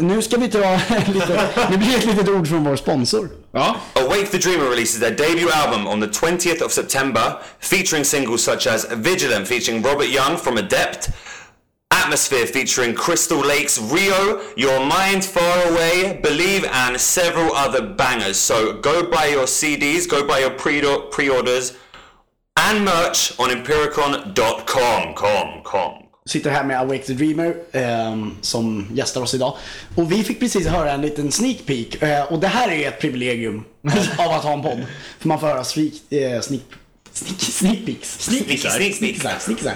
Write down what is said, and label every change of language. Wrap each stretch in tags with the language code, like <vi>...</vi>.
<sv>Nu ska vi ta lite, det blir ett litet ord från vår sponsor. Ja.</sv> <en>Awake the Dreamer releases their debut album on the 20th of September, featuring singles such as Vigilant featuring Robert Young from Adept, Atmosphere featuring Crystal Lake's Rio, Your Mind Far Away, Believe, and several other bangers. So go buy your CDs, go buy your pre-orders, and merch on empiricon.com.</en> <sv>Sitter här med Awake the Dreamer som gästar oss idag. Och vi fick precis höra en liten sneak peek. Och det här är ett privilegium av att ha en podd. För man får höra sneak peeks.</sv>